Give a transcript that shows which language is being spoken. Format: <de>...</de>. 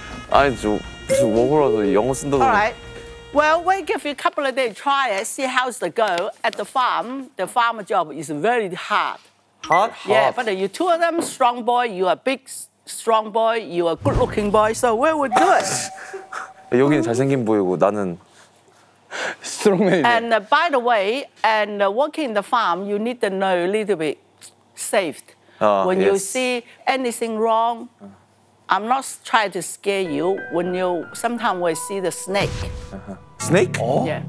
<ko>아니, 저 무슨 워버라도 영어 쓴다고.</ko> <en>Alright. Well, we give you a couple of days, try it, see how's the go. At the farm, the farm job is very hard. Hot? Yeah, hot. But you two of them, strong boy, you are big, strong boy, you are good looking boy, so where would do it?</en> <ko>여기는 잘생긴 보이고 나는</ko> <en>strongman. And by the way, and working in the farm, you need to know a little bit safe. When yes. you see anything wrong, I'm not trying to scare you. When you sometimes we see the snake. Snake? Oh. Yeah.</en>